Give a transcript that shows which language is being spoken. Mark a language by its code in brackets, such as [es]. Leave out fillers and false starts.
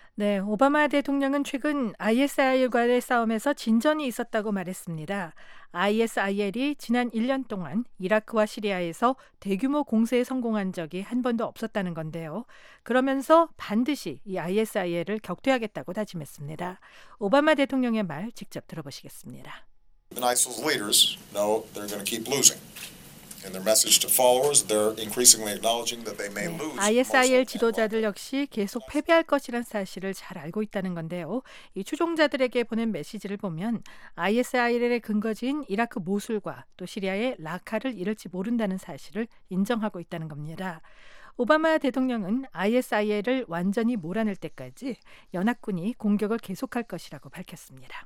[ko] 네, 오바마 대통령은 최근 ISIL과의 싸움에서 진전이 있었다고 말했습니다. ISIL이 지난 1년 동안 이라크와 시리아에서 대규모 공세에 성공한 적이 한 번도 없었다는 건데요. 그러면서 반드시 이 ISIL을 격퇴하겠다고 다짐했습니다. 오바마 대통령의 말 직접 들어보시겠습니다. [en] The ISIL's leaders know they're going to keep losing. And their message to followers, they're increasingly acknowledging that they may lose. [ko] ISIL 지도자들 역시 계속 패배할 것이란 사실을 잘 알고 있다는 건데요. 이 추종자들에게 보낸 메시지를 보면 ISIL의 근거지인 이라크 모술과 또 시리아의 라카를 잃을지 모른다는 사실을 인정하고 있다는 겁니다. 오바마 대통령은 ISIL을 완전히 몰아낼 때까지 연합군이 공격을 계속할 것이라고 밝혔습니다.